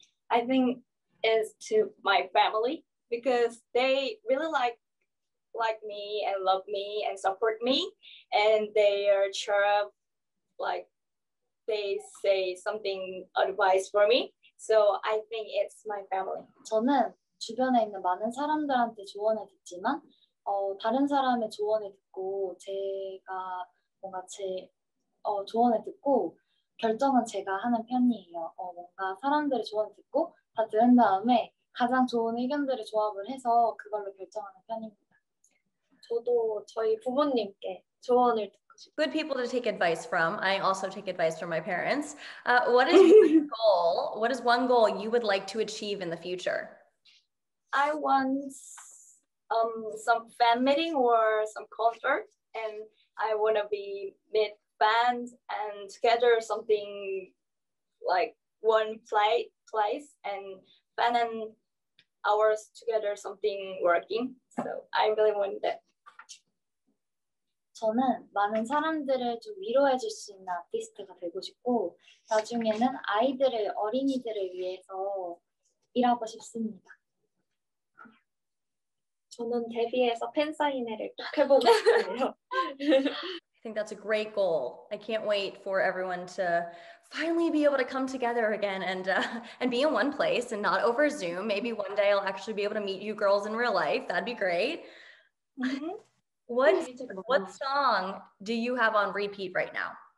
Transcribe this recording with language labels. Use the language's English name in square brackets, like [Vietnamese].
[English] I think it's to my family because they really like me and love me and support me. And they are sure of like, they say something advice for me. So I think it's my family. [Korean] 저는 주변에 있는 많은 사람들한테 조언을 듣지만 다른 사람의 조언을 듣고 제가 뭔가 제 조언을 듣고 결정은 제가 하는 편이에요. 뭔가 사람들의 조언을 듣고 다 들은 다음에 가장 좋은 의견들을 조합을 해서 그걸로 결정하는 편입니다. 저도 저희 부모님께 조언을 듣고 [English] Good people to take advice from. I also take advice from my parents. What is one goal? What is one goal you would like to achieve in the future? I want some fan meeting or some concert, and I want to be meet fans and together something like one place and fan and ours together something working. So I really want that. [Korean] 저는 많은 사람들을 좀 위로해 줄 수 있는 아티스트가 되고 싶고 나중에는 아이들을 어린이들을 위해서 일하고 싶습니다. 저는 데뷔해서 팬 사인회를 꼭 해보고 싶어요. [English] I think that's a great goal. I can't wait for everyone to finally be able to come together again and be in one place and not over Zoom. Maybe one day I'll actually be able to meet you girls in real life. That'd be great. Mm-hmm. What song do you have on repeat right now?